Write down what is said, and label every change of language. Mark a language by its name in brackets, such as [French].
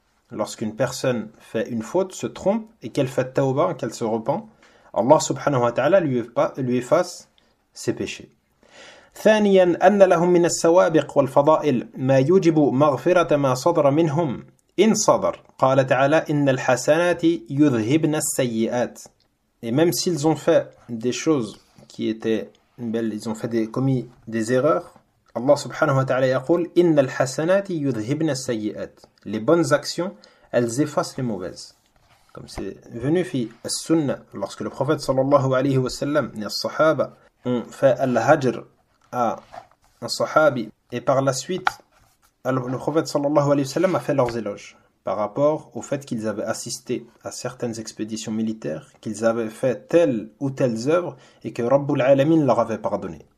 [French] Lorsqu'une personne fait une faute, se trompe et qu'elle fait tawba, qu'elle se repent, Allah subhanahu wa ta'ala lui efface ses péchés. [Arabic] ثانيا أن لهم من السوابق والفضائل ما يجب مغفرة ما صدر منهم إن صدر قال تعالى إن الحسنات يذهبن السيئات. [French] Et même s'ils ont fait des choses qui étaient belles, ils ont fait commis des erreurs, Allah subhanahu wa ta'ala yaqul, [Arabic] inna al-hasanati yudhibna as-sayyi'at. [French] Les bonnes actions, elles effacent les mauvaises. Comme c'est venu [Arabic] fi as-sunnah, [French] lorsque le prophète sallallahu alayhi wa sallam et les sahaba ont fait al-hajr à un sahabi, et par la suite, le prophète sallallahu alayhi wa sallam a fait leurs éloges par rapport au fait qu'ils avaient assisté à certaines expéditions militaires, qu'ils avaient fait telle ou telle œuvre et que Rabbul Alamin leur avait pardonné.